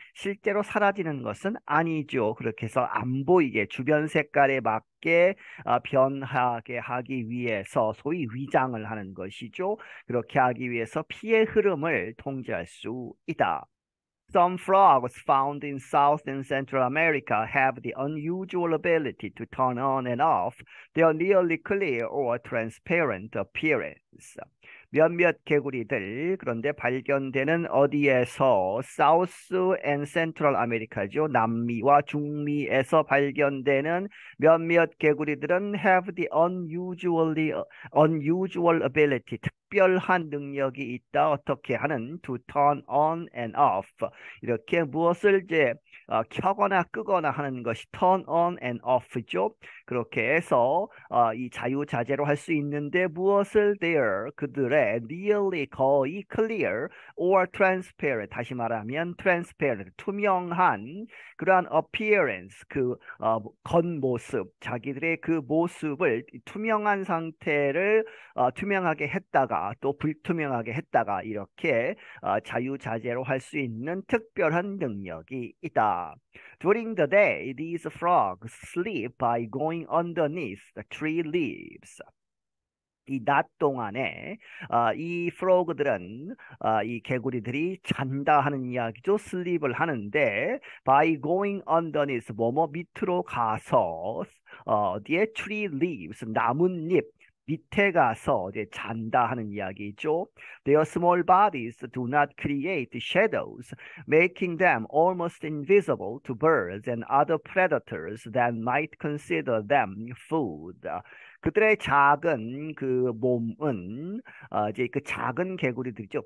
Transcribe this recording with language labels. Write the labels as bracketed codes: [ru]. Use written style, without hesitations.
[ko] 실제로 사라지는 것은 아니죠. 그렇게 해서 안 보이게, 주변 색깔에 맞게 변하게 하기 위해서 소위 위장을 하는 것이죠. 그렇게 하기 위해서 피의 흐름을 통제할 수 있다. [en] Some frogs found in South and Central America have the unusual ability to turn on and off their nearly clear or transparent appearance. [ko] 몇몇 개구리들, 그런데 발견되는 어디에서? South and Central America죠. 남미와 중미에서 발견되는 몇몇 개구리들은 [en] have the unusual ability, [ko] 특별한 능력이 있다. 어떻게 하는? [en] To turn on and off. [ko] 이렇게 무엇을 이제 켜거나 끄거나 하는 것이 [en] turn on and off [ko] 죠. 그렇게 해서 이 자유자재로 할수 있는데 무엇을 there 그들의 nearly 거의 [en] clear or transparent [ko] 다시 말하면 transparent 투명한 그러한 appearance 그 겉모습 자기들의 그 모습을 투명한 상태를 투명하게 했다가 또 불투명하게 했다가 이렇게 자유자재로 할수 있는 특별한 능력이 있다. [en] During the day, these frogs sleep by going underneath the tree leaves. [ko] 이낮 동안에 이 프로그들은 이 개구리들이 잔다 하는 이야기죠. 슬립을 하는데 [en] by going underneath [ko] 뭐뭐 밑으로 가서 어디에 [en] tree leaves [ko] 나뭇잎 밑에 가서 이제 잔다 하는 이야기죠. [en] Their small bodies do not create shadows, making them almost invisible to birds and other predators that might consider them food. [ko] 그들의 작은 그 몸은 이제 그 작은 개구리들이죠.